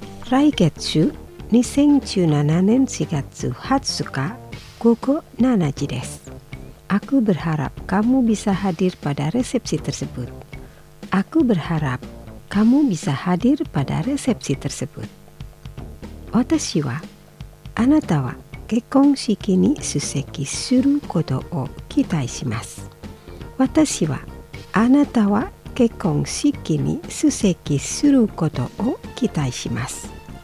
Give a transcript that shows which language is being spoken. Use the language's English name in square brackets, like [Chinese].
[Japanese] 来月2017年4月20日午後7時です。 [Indonesian] Aku berharap kamu bisa hadir pada resepsi tersebut. Aku berharap kamu bisa hadir pada resepsi tersebut. [Japanese] 私はあなたは結婚式に出席することを期待します。私はあなたは結婚式に出席することを期待します。